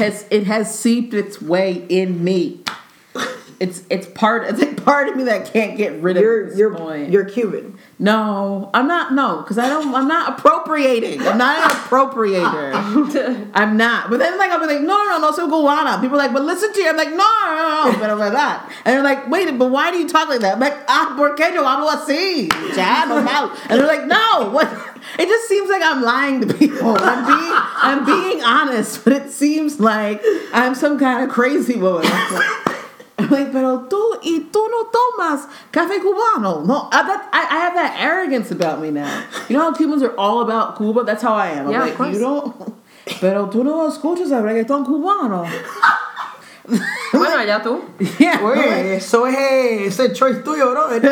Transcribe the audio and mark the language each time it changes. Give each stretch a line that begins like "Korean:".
English: It has seeped its way in me. It's like part of me that I can't get rid of. You're Cuban. No, I'm not. No, because I'm not appropriating. I'm not an appropriator. I'm not. But then like I'm like,
Spanish: no, soy cubana.
English: People are like, but listen to you. I'm like, no, but I'm like that. And they're like, wait, but why do you talk like that? I'm like, ah,
Spanish: porque yo hablo así. Ya, no mal.
English: And they're like, no, what? It just seems like I'm lying to people. I'm being honest, but it seems like I'm some kind of crazy woman. I'm like,
Spanish: pero tú y tú no tomas café cubano.
English: No, I have that arrogance about me now. You know how Cubans are all about Cuba? That's how I am. Yeah, I'm like, of course. You don't.
Spanish: Pero tú no escuchas el reggaetón cubano. Bueno, allá tú.
English: Yeah.
Spanish: Oye, like, eso es el choice tuyo, ¿no?